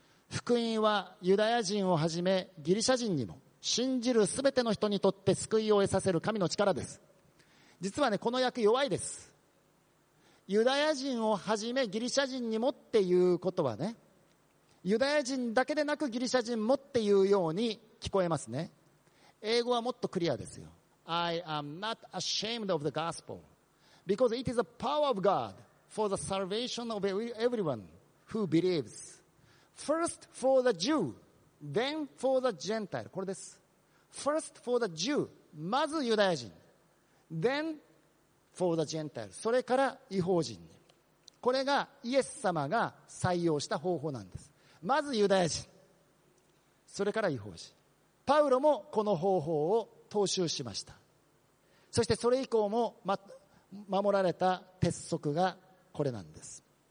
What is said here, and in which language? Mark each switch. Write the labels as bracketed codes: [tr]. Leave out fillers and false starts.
[ja] 福音はユダヤ人をはじめギリシャ人にも信じるすべての人にとって救いを得させる神の力です。実はね、この訳弱いです。ユダヤ人をはじめギリシャ人にもっていうことはね、ユダヤ人だけでなくギリシャ人もっていうように聞こえますね。英語はもっとクリアですよ。 [en] I am not ashamed of the gospel because it is the power of God for the salvation of everyone who believes. First for the Jew, then for the Gentile. [ja] これです。 [en] First for the Jew, [ja] まずユダヤ人、 [en] then for the Gentile, [ja] それから異邦人に。これがイエス様が採用した方法なんです。まずユダヤ人、それから異邦人。パウロもこの方法を踏襲しました。そしてそれ以降も守られた鉄則がこれなんです。